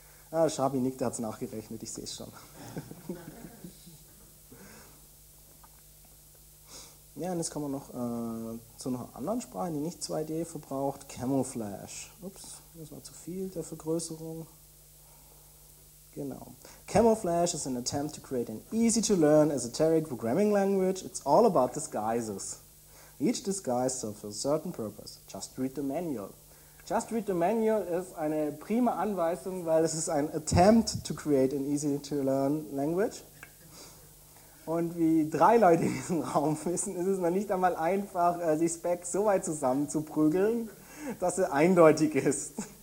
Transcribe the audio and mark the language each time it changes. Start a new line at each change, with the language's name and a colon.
German: Ah, Schabi nickt, der hat es nachgerechnet, ich sehe es schon. Ja, und jetzt kommen wir noch zu einer anderen Sprache, die nicht 2D verbraucht, Camouflage. Ups, das war zu viel der Vergrößerung. Genau.
English: Camouflage is an attempt to create an easy-to-learn esoteric programming language. It's all about disguises. Each disguise serves a certain purpose. Just read the manual. Just read the manual
German: ist eine prima Anweisung, weil es ist ein
English: attempt to create an easy-to-learn language.
German: Und wie drei Leute in diesem Raum wissen, ist es noch nicht einmal einfach, die Specs so weit zusammenzuprügeln, dass sie eindeutig ist.